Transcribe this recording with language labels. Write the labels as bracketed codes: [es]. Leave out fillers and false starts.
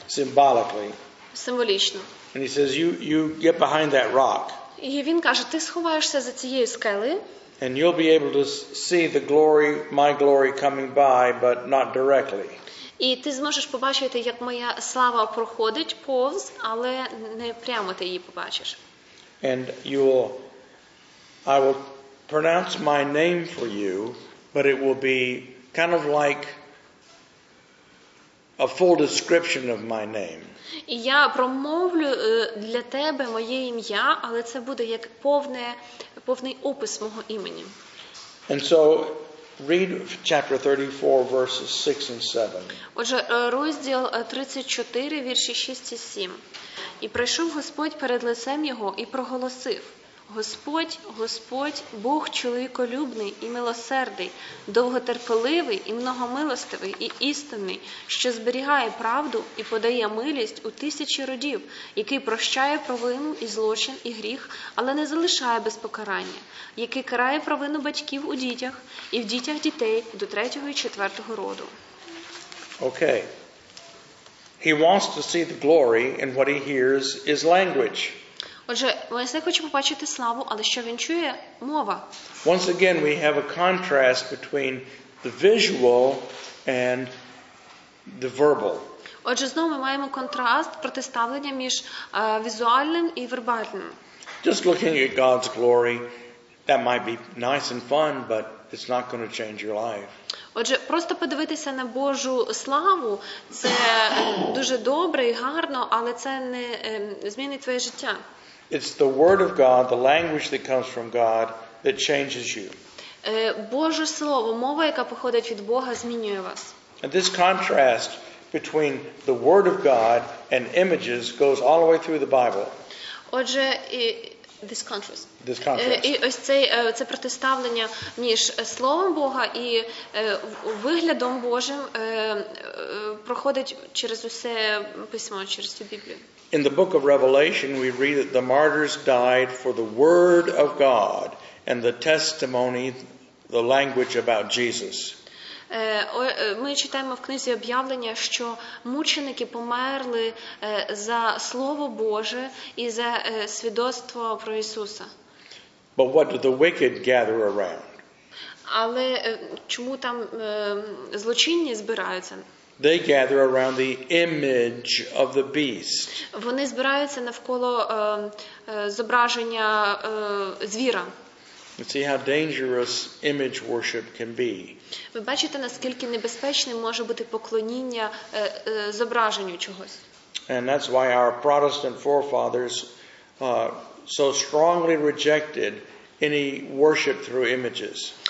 [en] Symbolically. [uk] Символічно. [en] And he says, you get behind that rock. [uk] І він каже: "Ти сховаєшся за цією скелею." [en] And you'll be able to see the glory, my glory coming by, but not directly. [uk] І ти зможеш побачити, як моя слава проходить повз, але не прямо ти її побачиш. [en] And I will pronounce my name for you, but it will be kind of like a full description of my name. [uk] І я промовлю для тебе моє ім'я, але це буде як повний опис мого імені. [en] And so read chapter 34 verses 6 and 7. [uk] Отже, розділ 34 вірші 6 і 7. І прийшов Господь перед лицем його і проголосив: "Господь, Господь, Бог чоловіколюбний і милосердий, довготерпеливий і многомилостивий і істинний, що зберігає правду і подає милість у тисячі родів, який прощає провину і злочин і гріх, але не залишає без покарання, який карає провину батьків у дітях і в дітях дітей до третього і четвертого роду." [en] Okay. He wants to see the glory, and what he hears is language. [uk] Отже, Мойсей хоче побачити славу, але що він чує? Мова. [en] Once again we have a contrast between the visual and the verbal. [uk] Отже, знову ми маємо контраст, протиставлення між візуальним і вербальним. [en] Just looking at God's glory, that might be nice and fun, but it's not going to change your life. [uk] Отже, просто подивитися на Божу славу – це дуже добре і гарно, але це не змінить твоє життя. [en] It's the word of God, the language that comes from God, that changes you. [uk] Боже слово, мова, яка походить від Бога, змінює вас. [en] And this contrast between the word of God and images goes all the way through the Bible. [uk] Отже, [en] this contrast. [uk] І ось це протиставлення між словом Бога і виглядом Божим проходить через усе письмо, через всю Біблію. [en] In the book of Revelation we read that the martyrs died for the word of God and the testimony, the language about Jesus. [uk] Ми читаємо в книзі об'явлення, що мученики померли за слово Боже і за свідоцтво про Ісуса. [en] But what do the wicked gather around? [uk] Але чому там злочинні збираються? [en] They gather around the image of the beast. [uk] Вони збираються навколо зображення звіра. [en] See how dangerous image worship can be. [uk] Ви бачите, наскільки небезпечним може бути поклоніння зображенню чогось. [en] And that's why our Protestant forefathers so strongly rejected any worship through images.